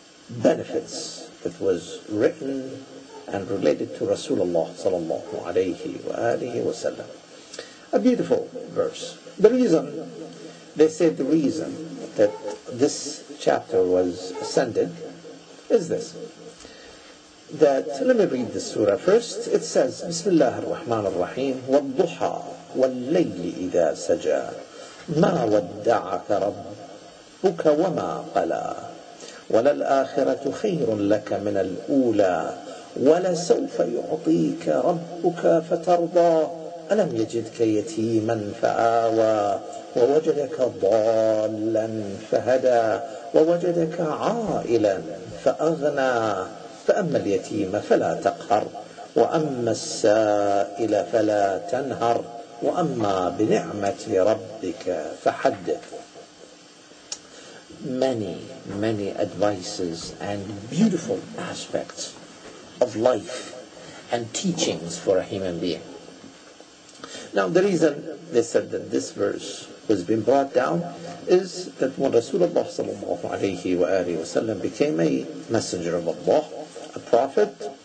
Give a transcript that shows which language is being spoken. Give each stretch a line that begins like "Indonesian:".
English: Benefits that was written and related to Rasulullah sallallahu alayhi wa alihi wa sallam. A beautiful verse. The reason, they say the reason that this chapter was ascended is this. That, let me read the surah first. It says,
Arabic: Bismillah ar-Rahman ar-Rahim, وَالضُّحَى وَاللَّيْلِ إِذَا سَجَى مَا وَدَّعَكَ رَبُّكَ وَمَا قَلَى وَلَلْآخِرَةُ خَيْرٌ لَكَ مِنَ الْأُولَى ولسوف يعطيك ربك فترضى ألم يجدك يتيما فآوى ووجدك ضالا فهدى ووجدك عائلا فأغنى فأما اليتيم فلا تقهر وأما السائل فلا تنهر وأما بنعمة ربك فحدث.
English: Many advices and beautiful aspects of life and teachings for a human being. Now the reason they said that this verse was being brought down is that when Rasulullah sallallahu alayhi wa alihi wa sallam became a messenger of Allah, a prophet,